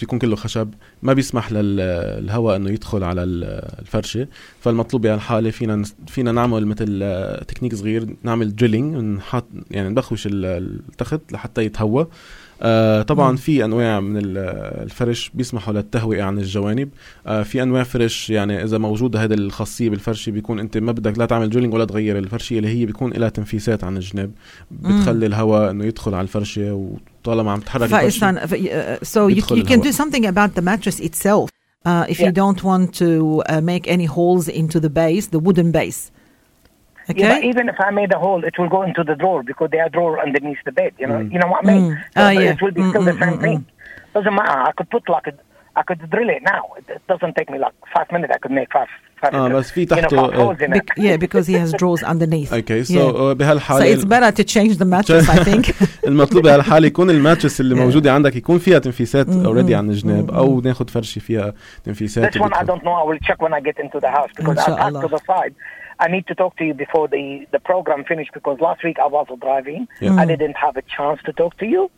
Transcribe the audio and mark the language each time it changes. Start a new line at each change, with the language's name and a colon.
Arabic: بيكون كله خشب ما بيسمح للهواء انه يدخل على الفرشة فالمطلوب بهالحالة فينا نعمل مثل تكنيك صغير نعمل drilling نحط نبخوش التخت لحتى يتهوى طبعا في انواع من الفرش بيسمحوا للتهوئة عن الجوانب في انواع فرش اذا موجودة هذا الخاصية بالفرشة بيكون انت ما بدك لا تعمل drilling ولا تغير الفرشة اللي هي بيكون لها تنفيسات عن الجنب بتخلي الهواء انه يدخل على الفرشة و طالما عم تحرك فإنسان
English: so you can do something about the mattress itself if you don't want to make any holes into the base, the wooden base. Okay? Yeah, but even if I made a hole, it will go into the drawer because there are drawer underneath the bed. You know what I mean? It will be still the same thing. Doesn't matter. I could put like a, I could drill it now. It doesn't take me like 5 minutes. I could make five.
Arabic: بس في تحته
English: because he has drawers underneath. Okay, so
Arabic: بهالحالة.
English: So it's better to change the mattress, I think.
Arabic: المطلوب بهالحالة يكون الماتريس اللي موجودة عندك يكون فيها تنفيسات already عن الجناب أو ناخد فرشة فيها تنفيسات.
English: This one I don't know. I will check when I get into the house because I'm back to the side. I need to talk to you before the program finished because last week I was driving and I didn't have a chance to talk to you.